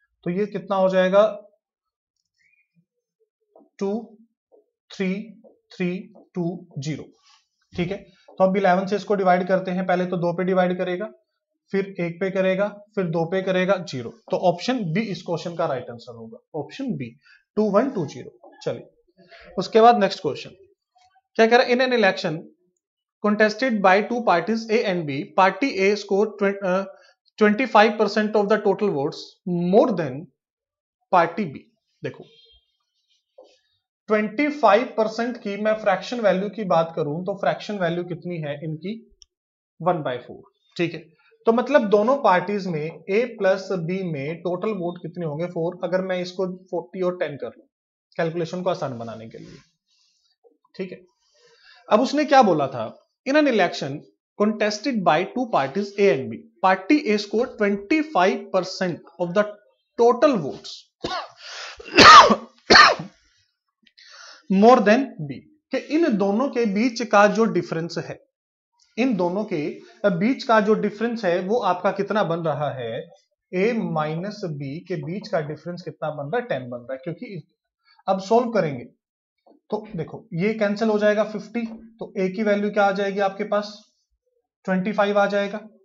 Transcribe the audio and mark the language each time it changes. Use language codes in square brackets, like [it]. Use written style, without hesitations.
[hi] तो ये कितना हो जाएगा, 2 3 3 2 0। ठीक है, तो अब 11 से इसको डिवाइड करते हैं, पहले तो 2 पे डिवाइड करेगा, फिर 1 पे करेगा, फिर 2 पे करेगा, 0। तो ऑप्शन बी इस क्वेश्चन का राइट आंसर होगा, ऑप्शन बी 2120। चलिए उसके बाद नेक्स्ट क्वेश्चन क्या कह रहा है, [en] In an election contested by two parties A and B, party A scored 25% of the total votes more than party B। [hi] देखो 25% की मैं फ्रैक्शन वैल्यू की बात करूं तो फ्रैक्शन वैल्यू कितनी है इनकी, 1/4। ठीक है, तो मतलब दोनों पार्टीज में A प्लस B में टोटल वोट कितने होंगे, 4, अगर मैं इसको 40 और 10 कर लूं कैलकुलेशन को आसान बनाने के लिए। ठीक है, अब उसने क्या बोला था, [en] In an election contested by two parties A and B, party A scored 25% of the total votes more than B. [hi] कि इन दोनों के बीच का जो difference है, इन दोनों के बीच का जो difference है वो आपका कितना बन रहा है, A minus B के बीच का difference कितना बन रहा है, 10 बन रहा है। क्योंकि अब सोल्व करेंगे तो देखो ये कैंसिल हो जाएगा 50, तो ए की वैल्यू क्या आ जाएगी आपके पास, 25 आ जाएगा।